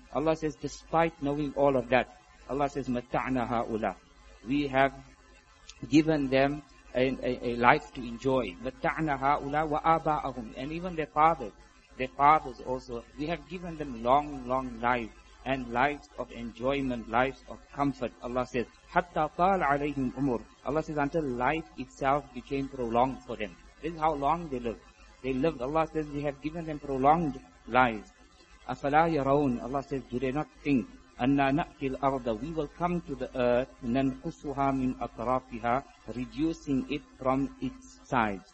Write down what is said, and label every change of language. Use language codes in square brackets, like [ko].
[en] Allah says, despite knowing all of that, Allah says, [ar] مَتَّعْنَا هَؤُلَىٰ. [en] We have given them a life to enjoy. [ar] مَتَّعْنَا هَؤُلَىٰ وَآبَاءَهُمْ. [en] And even their fathers also, we have given them long, long life, and lives of enjoyment, lives of comfort. Allah says, [ar] حَتَّى طَالَ عَلَيْهِمْ عُمُرْ. [en] Allah says, until life itself became prolonged for them. This is how long they lived. They lived, Allah says, we have given them prolonged lives. [ar] أَفَلَا يَرَوْنَ. [en] Allah says, do they not think, [ar] أَنَّا نَأْتِي الْأَرْضَ. [en] We will come to the earth, [ar] نَنْقُصُهَا مِنْ أَطْرَافِهَا, [en] reducing it from its sides.